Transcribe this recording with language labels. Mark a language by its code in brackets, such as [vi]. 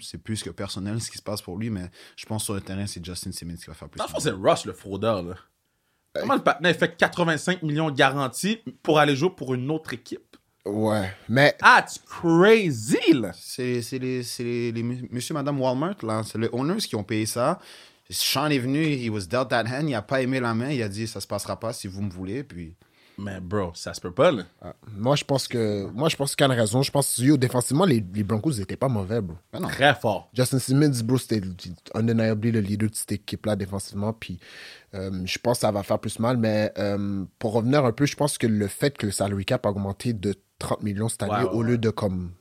[fr] C'est plus que personnel ce qui se passe pour lui. Mais je pense que sur le terrain, c'est Justin Simmons qui va faire plus. Dans le fond, c'est Russ le fraudeur. Là. Comment le patron fait 85 millions garantis pour aller jouer pour une autre équipe? Ouais, mais... [en] That's crazy, là! [fr] C'est les monsieur, madame Walmart, là. C'est les owners qui ont payé ça. [en] Sean [fr] est venu, [en] he was dealt that hand. [fr] Il a pas aimé la main. Il a dit, ça se passera pas si vous me voulez, puis... Mais bro, ça se peut pas, là. Ah, moi, je pense qu'il y a une raison. Je pense que, yo, défensivement, les Broncos, ils étaient pas mauvais, bro. Ben non. Très fort. Justin Simmons, bro, c'était undeniably le leader de cette équipe-là défensivement. Puis je pense que ça va faire plus mal. Mais pour revenir un peu, je pense que le fait que le salary cap a augmenté de 30 millions cette année, au lieu de comme...